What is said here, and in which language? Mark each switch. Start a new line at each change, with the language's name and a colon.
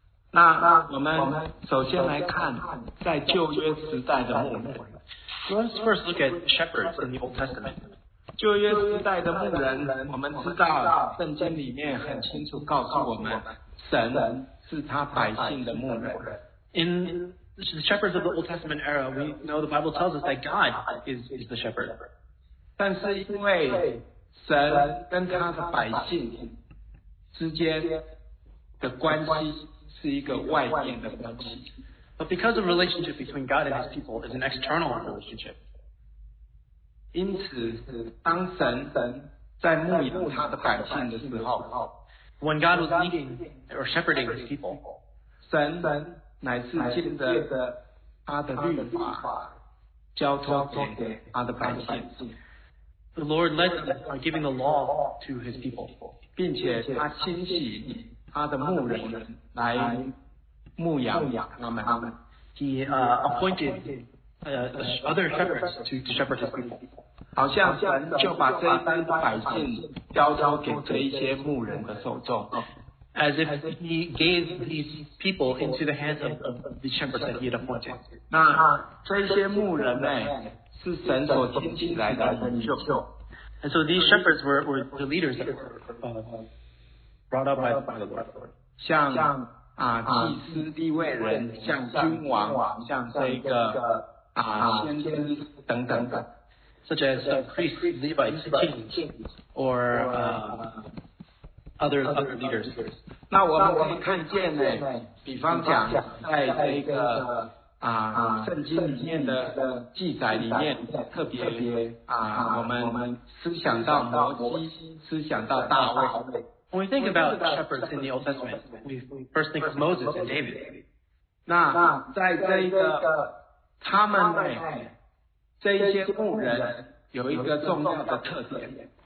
Chinese: 那我们首先来看在旧约时代的牧人。
English: Let's first look at shepherds in the Old Testament.
Chinese: 旧约时代的牧人，我们知道圣经里面很清楚告诉我们，神是他百姓的牧人。
English: In the shepherds of the Old Testament era, we know the Bible tells us that God is the shepherd.
Chinese: 但是因为神跟他的百姓之间的关系是一个外面的关系。
English: But because the relationship between God and his people is an external relationship.
Chinese: 因此，当神在牧养他的百姓的时候
English: ，When God was leading or shepherding His people，
Chinese: 神乃是借着他的律法交托给他的百姓。
English: The Lord led them by giving the law to His people，
Chinese: 并且他兴起他的牧人来牧养他们。
English: He appointed other shepherds to shepherd His people。
Chinese: 好像神就把这一班百姓交托给这一些牧人的手中。
English: As if he gave these people into the hands of the shepherds that he had appointed.
Chinese: 那这些牧人呢，是神所兴起来的领袖。
English: And so these shepherds were the leaders that were brought up by the Lord.
Chinese: 像祭司、立位人、像君王、像这个先知等等等。
English: Such as priests, Levites, kings, or other leaders.
Chinese: 那我们看见呢，比方讲，在这个圣经里面的记载里面，特别我们思想到摩西，思想到大卫。
English: When we think about shepherds in the Old Testament, we first think of Moses and David.
Chinese: 那在这个他们呢？这一些牧人有一个重要的特点